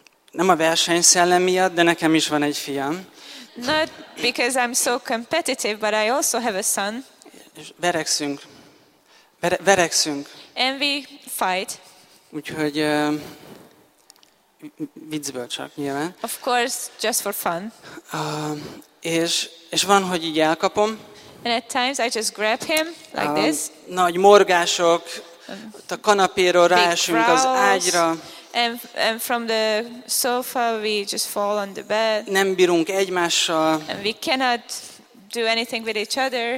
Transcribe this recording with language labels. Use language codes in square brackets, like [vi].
[hu] Nem a versenyszellem miatt, de nekem is van egy fiam. [en] Not because I'm so competitive, but I also have a son. [hu] Verekszünk. Verekszünk. [en] And we fight. [hu] Úgyhogy viccből csak, nyilván. [en] Of course, just for fun. [hu] És van, hogy így elkapom. [en] And at times I just grab him, like this. [hu] Nagy morgások, a kanapéról ráesünk az ágyra. [en] And from the sofa we just fall on the bed. [hu] Nem bírunk egymással. [en] And we cannot do anything with each other.